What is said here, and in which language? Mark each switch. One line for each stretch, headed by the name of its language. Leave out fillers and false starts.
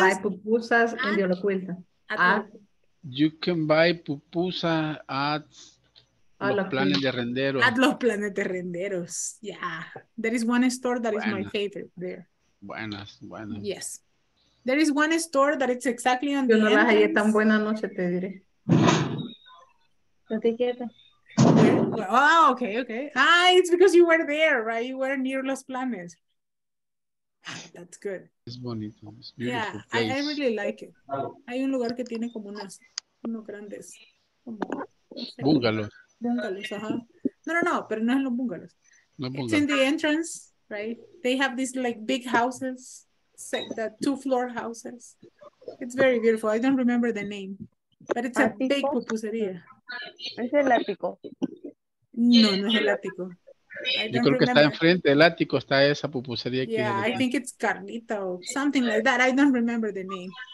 English: You can buy pupusas in the locuita. You can buy pupusas at los planes de renderos. At los planes de renderos. Yeah. There is one store that is my favorite there.
Spanish: Buenas, buenas.
English: Yes. There is one store that it's exactly on the entrance.
Spanish: Yo no las hallé tan buena noche, te diré. No te quieta.
English: Oh, okay, okay. Ah, it's because you were there, right? You were near Los Planes. That's good. It's bonito. It's beautiful. Yeah, I really like it.
Spanish: Hay un lugar que tiene como unas, unos grandes.
English: Bungalows.
Spanish: Bungalows, ajá. No, no, no, pero no es los bungalows. No
English: bungalows. It's in the entrance, right? They have these like big houses. The two-floor houses. It's very beautiful. I don't remember the name. But it's a big pupuseria.
Spanish: Es el ático. No, no es el ático. Yo creo que está enfrente del ático, está esa pupusería.
English: Yeah, I think it's Carlita or something like that. I don't remember the name.